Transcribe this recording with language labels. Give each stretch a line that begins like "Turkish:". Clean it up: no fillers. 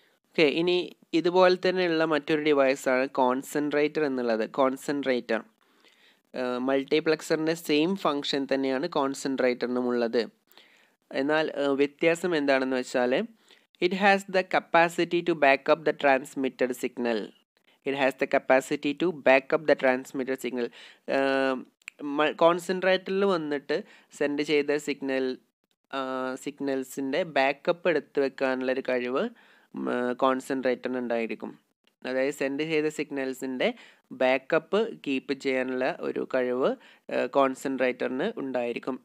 Malayalam: Okay, ഇനി ഇതുപോലെ തന്നെയുള്ള മറ്റൊരു ഡിവൈസാണ് കോൺസെൻട്രേറ്റർ എന്നുള്ളത്. കോൺസെൻട്രേറ്റർ മൾട്ടിപ്ലക്സറിൻ്റെ സെയിം ഫങ്ഷൻ തന്നെയാണ് കോൺസെൻട്രേറ്ററിനുമുള്ളത്. എന്നാൽ വ്യത്യാസം എന്താണെന്ന് വെച്ചാൽ,
English: It has the capacity to backup the transmitted signal. it has the capacity to back up the transmitter signal.
Malayalam: കോൺസെൻട്രേറ്ററിൽ വന്നിട്ട് സെൻഡ് ചെയ്ത സിഗ്നൽ സിഗ്നൽസിൻ്റെ ബാക്കപ്പ് എടുത്തു വെക്കാനുള്ളൊരു കഴിവ് കോൺസെൻട്രേറ്ററിനുണ്ടായിരിക്കും. അതായത് സെൻഡ് ചെയ്ത സിഗ്നൽസിൻ്റെ ബാക്കപ്പ് കീപ്പ് ചെയ്യാനുള്ള ഒരു കഴിവ് കോൺസെൻട്രേറ്ററിന് ഉണ്ടായിരിക്കും.